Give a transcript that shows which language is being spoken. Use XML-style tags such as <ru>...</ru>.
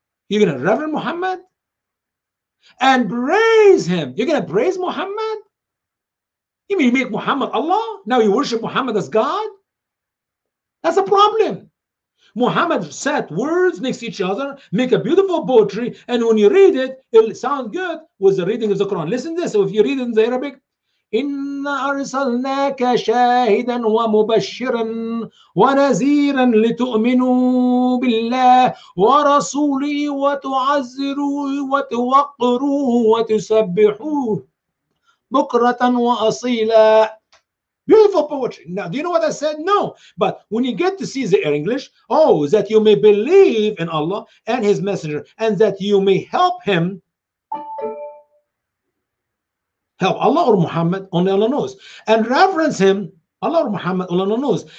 <en>You're going to reverence Muhammad? And praise him. You're going to praise Muhammad? You mean you make Muhammad Allah? Now you worship Muhammad as God? That's a problem. Muhammad said words next to each other, make a beautiful poetry, and when you read it, it'll sound good with the reading of the Quran. Listen to this. So if you read it in the Arabic,</en> <ar>إِنَّ أَرْسَلْنَاكَ شَاهِدًا وَمُبَشِّرًا وَنَزِيرًا لِتُؤْمِنُوا بِاللَّهِ وَرَسُولِهِ وَتُعَزِّرُوهُ وَتُوَقِّرُوهُ وَتُسَبِّحُوهُ بُكْرَةً وَأَصِيلًا.</ar> <en>Beautiful poetry. Now, do you know what I said? No. But when you get to see the English, oh, that you may believe in Allah and His Messenger, and that you may help Him. Help Allah or Muhammad, only Allah knows. And reverence Him, Allah or Muhammad, only Allah knows.</en>